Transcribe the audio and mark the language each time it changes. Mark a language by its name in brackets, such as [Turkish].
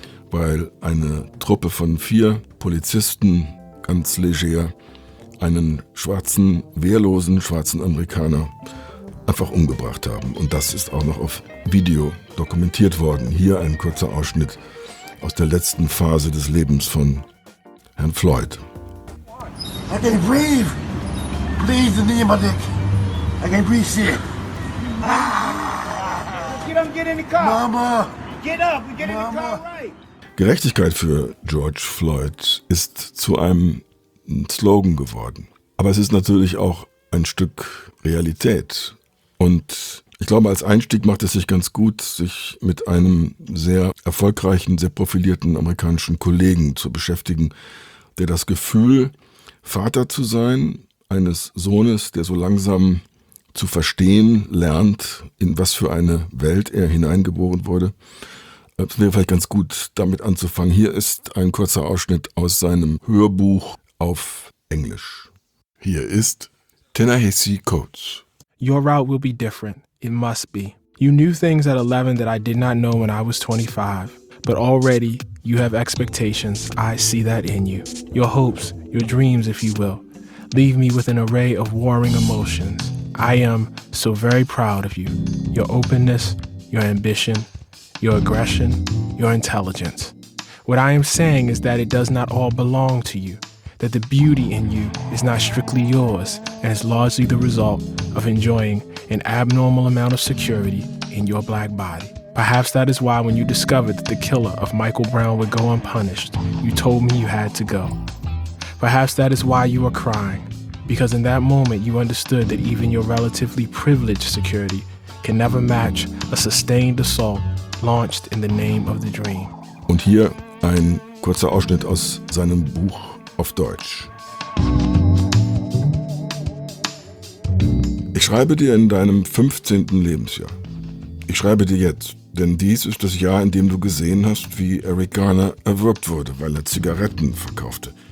[German] Weil eine Truppe von 4 Polizisten ganz leger einen schwarzen, wehrlosen schwarzen Amerikaner einfach umgebracht haben. Und das ist auch noch auf Video dokumentiert worden. Hier ein kurzer Ausschnitt aus der letzten Phase des Lebens von Herrn Floyd. [English] I can't breathe. Please, the knee in my dick. I can't breathe, see it. Get in the car. Mama. Get up, we get in the car right. [German] Gerechtigkeit für George Floyd ist zu einem Slogan geworden. Aber es ist natürlich auch ein Stück Realität. Und ich glaube, als Einstieg macht es sich ganz gut, sich mit einem sehr erfolgreichen, sehr profilierten amerikanischen Kollegen zu beschäftigen, der das Gefühl, Vater zu sein, eines Sohnes, der so langsam zu verstehen lernt, in was für eine Welt er hineingeboren wurde. Es wäre vielleicht ganz gut, damit anzufangen. Hier ist ein kurzer Ausschnitt aus seinem Hörbuch auf Englisch. Hier ist Ta-Nehisi Coates. [English] Your route will be different. It must be. You knew things at 11 that I did not know when I was 25. But already, you have expectations. I see that in you. Your hopes, your dreams, if you will, leave me with an array of warring emotions. I am so very proud of you. Your openness, your ambition, your aggression, your intelligence. What I am saying is that it does not all belong to you, that the beauty in you is not strictly yours and is largely the result of enjoying an abnormal amount of security in your black body. Perhaps that is why when you discovered that the killer of Michael Brown would go unpunished, you told me you had to go. Perhaps that is why you are crying, because in that moment you understood that even your relatively privileged security can never match a sustained assault launched in the name of the dream. [German] Und hier ein kurzer Ausschnitt aus seinem Buch auf Deutsch. Ich schreibe dir in deinem 15. Lebensjahr. Ich schreibe dir jetzt, denn dies ist das Jahr, in dem du gesehen hast, wie Eric Garner erwürgt wurde, weil er Zigaretten verkaufte.